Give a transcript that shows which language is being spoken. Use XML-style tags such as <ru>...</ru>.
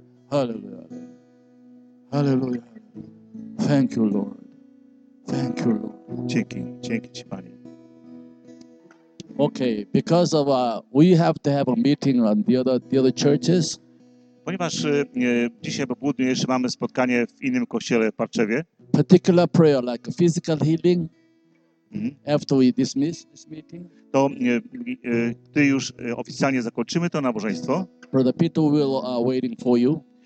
<en>Hallelujah. Hallelujah. Hallelujah. Thank you, Lord. Thank you, Lord.</en> <pl>Dzięki, dzięki Ci, Panie.</pl> <en>Okay, because of we have to have a meeting on the other churches.</en> <pl>Ponieważ dzisiaj po południu jeszcze mamy spotkanie w innym kościele w Parczewie.</pl> <en>Particular prayer like physical healing. Mm-hmm. After we dismiss this meeting.</en> <pl>To gdy już oficjalnie zakończymy to nabożeństwo.</pl> <en>Brother Peter will are waiting for you.</en>